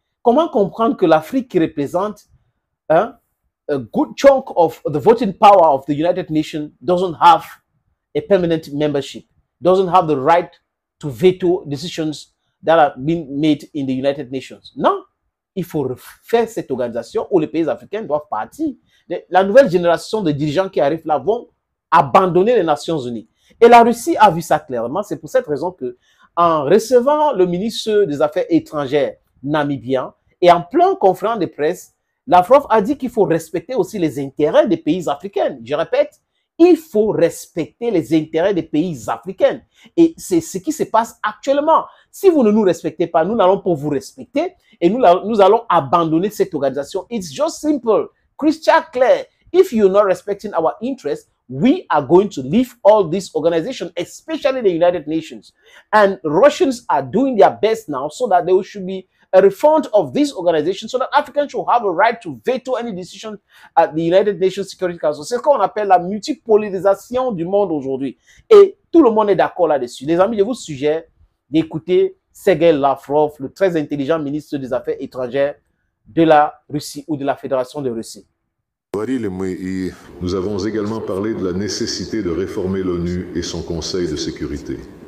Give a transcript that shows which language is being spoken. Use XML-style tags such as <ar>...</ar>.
<fr>Comment comprendre que l'Afrique qui représente</fr> <en>a good chunk of the voting power of the United Nations doesn't have a permanent membership, doesn't have the right to veto decisions that are being made in the United Nations?</en> <fr>Non, il faut refaire cette organisation où les pays africains doivent partir. La nouvelle génération de dirigeants qui arrivent là vont abandonner les Nations Unies. Et la Russie a vu ça clairement. C'est pour cette raison que, en recevant le ministre des Affaires étrangères namibien et en plein conférence de presse, Lavrov a dit qu'il faut respecter aussi les intérêts des pays africains. Je répète, il faut respecter les intérêts des pays africains. Et c'est ce qui se passe actuellement. Si vous ne nous respectez pas, nous n'allons pas vous respecter et nous allons abandonner cette organisation.</fr> <en>It's just simple, crystal clear. If you're not respecting our interests, we are going to leave all this organization, especially the United Nations. And Russians are doing their best now so that there should be a refund of this organization so that Africans should have a right to veto any decision at the United Nations Security Council.</en> <fr>C'est ce qu'on appelle la multipolarisation du monde aujourd'hui. Et tout le monde est d'accord là-dessus. Les amis, je vous suggère d'écouter Sergei Lavrov, le très intelligent ministre des Affaires étrangères de la Russie ou de la Fédération de Russie. Nous avons également parlé de la nécessité de réformer l'ONU et son Conseil de sécurité.</fr>